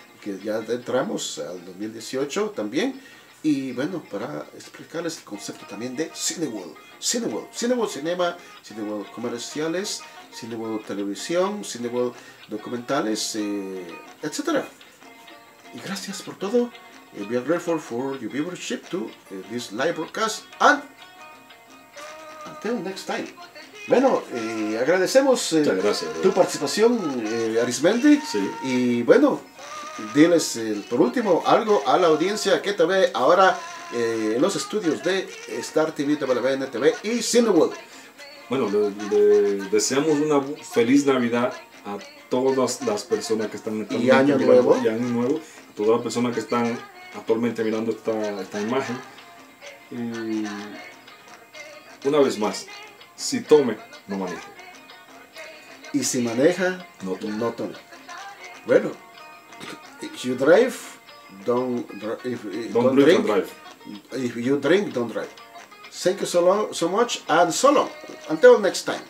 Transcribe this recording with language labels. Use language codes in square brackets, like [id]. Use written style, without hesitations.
[es] Que ya entramos al 2018 también, y bueno, para explicarles el concepto también de Cineworld, cinema, Cineworld comerciales, Cineworld televisión, Cineworld documentales, etcétera. Y gracias por todo. [en] Y be grateful for your viewership to this live broadcast. And until next time. [es] Bueno, agradecemos tu participación, Arismendi. Sí. Y bueno, diles por último algo a la audiencia que te ve ahora en los estudios de Star TV, WBN TV y Cinewood. Bueno, le deseamos una feliz Navidad a todas las personas que están y año mirando, nuevo. Y año nuevo. A todas las personas que están actualmente mirando esta imagen. Y una vez más, si tome, no maneje. Y si maneja, no tome. No tome. [en] Bueno, if you drive, don't drink and drive. If you drink, don't drive. Thank you so much and so long. Until next time.